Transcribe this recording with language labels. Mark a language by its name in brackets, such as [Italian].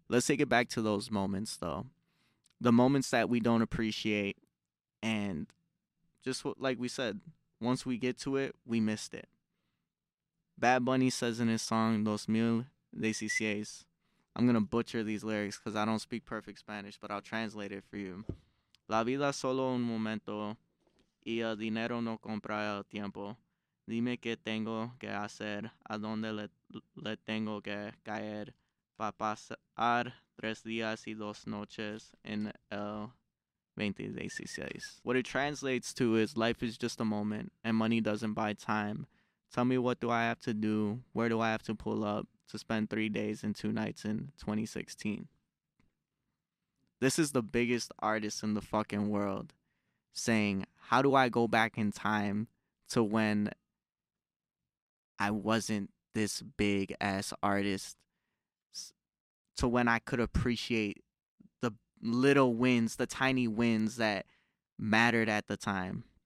[English] Let's take it back to those moments, though. The moments that we don't appreciate and just like we said, once we get to it, we missed it. Bad Bunny says in his song, Los Mil Decisiones, I'm going to butcher these lyrics because I don't speak perfect Spanish, but I'll translate it for you. [Spanish] La vida solo un momento y el dinero no compra el tiempo. Dime qué tengo que hacer, a dónde le tengo que caer para pasar tres días y dos noches en el 2016. [English] What it translates to is life is just a moment and money doesn't buy time. Tell me, what do I have to do? Where do I have to pull up to spend 3 days and two nights in 2016? This is the biggest artist in the fucking world saying, how do I go back in time to when I wasn't this big ass artist, to when I could appreciate the little wins, the tiny wins that mattered at the time?